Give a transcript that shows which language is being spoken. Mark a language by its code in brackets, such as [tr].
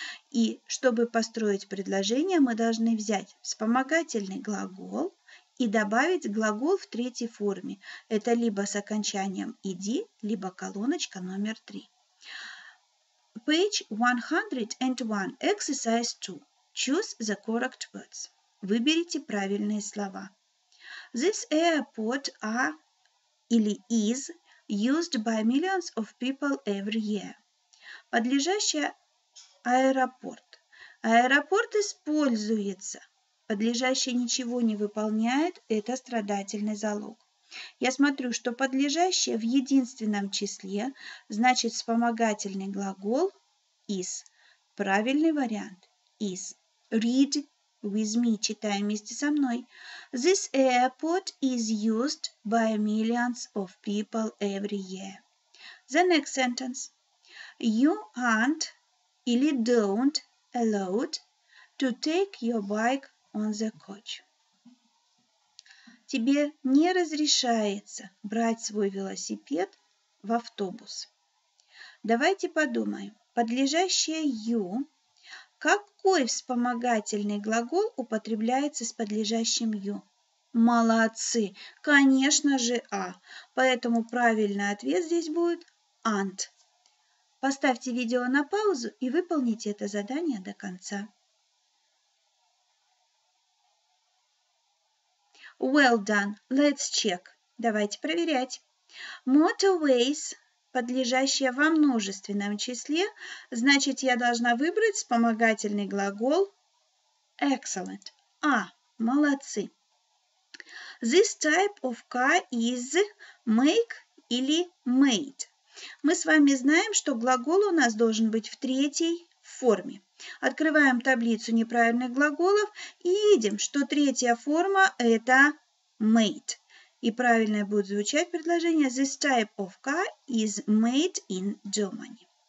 [ru] И чтобы построить предложение, мы должны взять вспомогательный глагол и добавить глагол в третьей форме. Это либо с окончанием «иди», либо колоночка номер 3. [en] Page 101, exercise 2. Choose the correct words. [ru] Выберите правильные слова. [en] This airport is used by millions of people every year. [ru] Подлежащее аэропорт. Аэропорт используется. Подлежащее ничего не выполняет. Это страдательный залог. Я смотрю, что подлежащее в единственном числе, значит вспомогательный глагол is. Правильный вариант [en] is. Read with me. [ru] Читай вместе со мной. [en] This airport is used by millions of people every year. The next sentence. You aren't или don't allowed to take your bike on the coach. [ru] Тебе не разрешается брать свой велосипед в автобус. Давайте подумаем. Подлежащее you. Какой вспомогательный глагол употребляется с подлежащим you? Молодцы! Конечно же, а. Поэтому правильный ответ здесь будет aren't. Поставьте видео на паузу и выполните это задание до конца. [en] Well done. Let's check. [ru] Давайте проверять. [en] Motorways. [ru] Подлежащее во множественном числе, значит, я должна выбрать вспомогательный глагол excellent. А, молодцы. [en] This type of car is make или made. [ru] Мы с вами знаем, что глагол у нас должен быть в третьей форме. Открываем таблицу неправильных глаголов и видим, что третья форма – это made. И правильное будет звучать предложение [en] «This type of car is made in Germany».